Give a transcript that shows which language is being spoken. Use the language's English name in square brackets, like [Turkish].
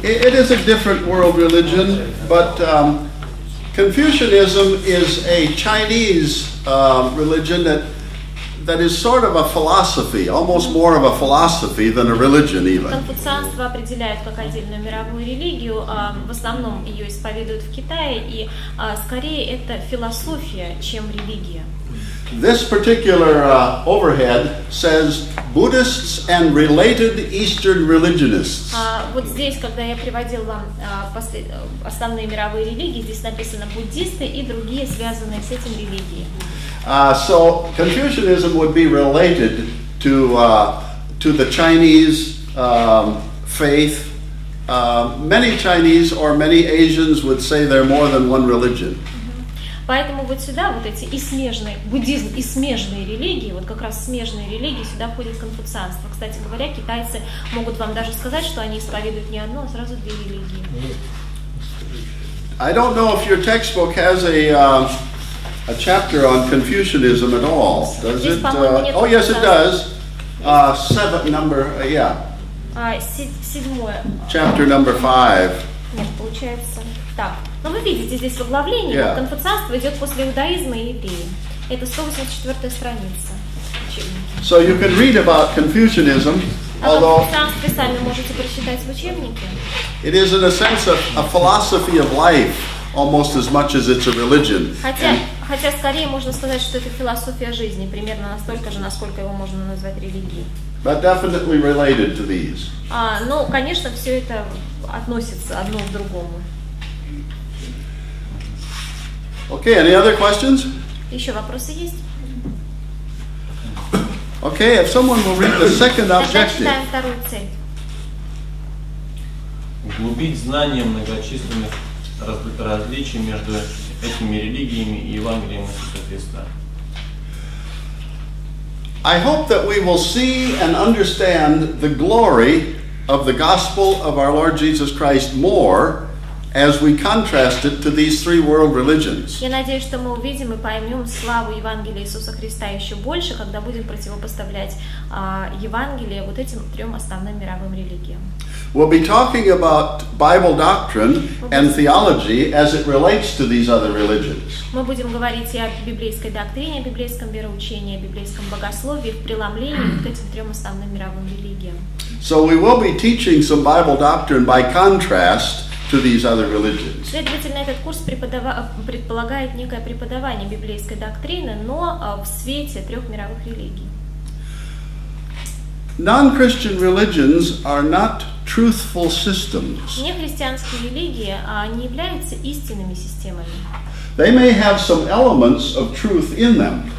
[English] It is a different world religion, but Confucianism is a Chinese religion that is sort of a philosophy, almost more of a philosophy than a religion even. [Russian] Конфуцианство определяет как отдельную мировую религию, в основном ее исповедуют в Китае, и скорее это философия, чем религия. [English] This particular overhead says Buddhists and related Eastern religionists. [Russian] Вот здесь, когда я приводил вам основные мировые религии, здесь написано буддисты и другие связанные с этим религии. [English] So Confucianism would be related to the Chinese faith. Many Chinese or many Asians would say they're more than one religion. [Russian] Поэтому вот сюда, вот эти и смежные, буддизм и смежные религии, вот как раз смежные религии, сюда входит конфуцианство. Кстати говоря, китайцы могут вам даже сказать, что они исповедуют не одну, а сразу две религии. [English] I don't know if your textbook has a chapter on Confucianism at all. Does it? Oh, yes, it does. Seventh number, yeah. [Russian] Седьмое. [English] Chapter number 5. [Russian] Нет, получается. Так. Но вы видите здесь в оглавлении, [English] yeah. [Russian] Конфуцианство идет после иудаизма и иудеи. Это 184-я страница. [English] So you can read about Confucianism, although... [Russian] Конфуцианство сами можете прочитать в учебнике. [English] It is in a sense a philosophy of life, almost as much as it's a religion. [Russian] Хотя скорее можно сказать, что это философия жизни, примерно настолько же, насколько его можно назвать религией. [English] But definitely related to these. [Russian] Ну, конечно, все это относится одно к другому. [English] Okay, any other questions? [Russian] Еще вопросы есть? [English] Okay, if someone will read the second objective. [Russian] Тогда читаем вторую цель. Углубить знания многочисленных различий между этими религиями и Евангелием Иисуса Христа. [English] I hope that we will see and understand the glory of the gospel of our Lord Jesus Christ more as we contrast it to these three world religions. [Russian] Я надеюсь, что мы увидим и поймем славу Евангелия Иисуса Христа еще больше, когда будем противопоставлять Евангелие вот этим трем основным мировым религиям. [English] We'll be talking about Bible doctrine and theology as it relates to these other religions. [Russian] Мы будем говорить и о библейской доктрине, библейском вероучении, библейском богословии в преломлении к этим трем основным мировым религиям. [English] So we will be teaching some Bible doctrine by contrast to these other religions. [Russian] Следовательно, этот курс предполагает некое преподавание библейской доктрины, но в свете трех мировых религий. [English] Non-Christian religions are not truthful systems. [Russian] Нехристианские религии не являются истинными системами. [English] They may have some elements of truth in them.